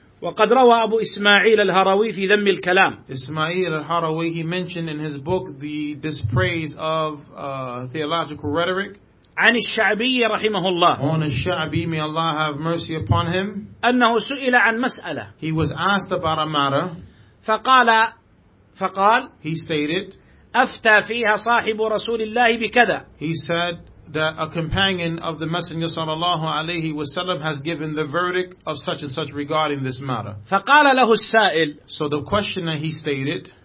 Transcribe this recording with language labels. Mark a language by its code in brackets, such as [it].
[ar] وقد روى أبو إسماعيل الهروي في ذم الكلام. [en] إسماعيل الهروي he mentioned in his book the dispraise of theological rhetoric. [ar] عن الشعبي رحمه الله. [en] On الشعبي may Allah have mercy upon him. [ar] أنه سئل عن مسألة. [en] He was asked about a matter. [ar] فقال. [en] He stated. [ar] أفتى فيها صاحب رسول الله بكذا. [en] He said. That a companion of the Messenger sallallahu alayhi wa sallam has given the verdict of such and such regarding this matter. [ar] فقال له السائل, [en] so the questioner he stated,